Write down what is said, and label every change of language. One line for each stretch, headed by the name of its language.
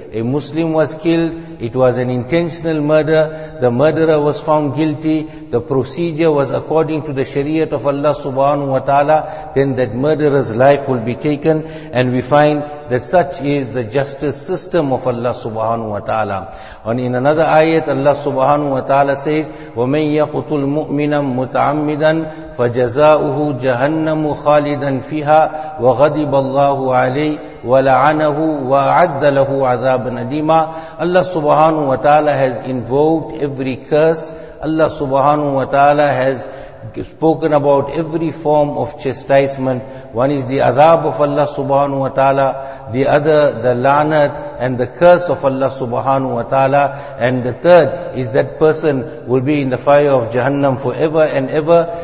English: A Muslim was killed, it was an intentional murder, the murderer was found guilty, the procedure was according to the Shariat of Allah subhanahu wa ta'ala, then that murderer's life will be taken. And we find that such is the justice system of Allah subhanahu wa ta'ala. And in another ayat, Allah subhanahu wa ta'ala says,
Arabic: وَمَنْ يَقْتُلْ مُؤْمِنًا مُتَعَمِّدًا فَجَزَاؤُهُ جَهَنَّمُ خَالِدًا فِيهَا وَغَضِبَ اللَّهُ عَلَيْهِ وَلَعَنَهُ وَأَعَدَّ لَهُ عَذَابًا أَلِيمًا.
English: Allah subhanahu wa ta'ala has invoked every curse. Allah subhanahu wa ta'ala has spoken about every form of chastisement. One is the adab of Allah subhanahu wa ta'ala, the other the lanat and the curse of Allah subhanahu wa ta'ala, and the third is that person will be in the fire of Jahannam forever and ever.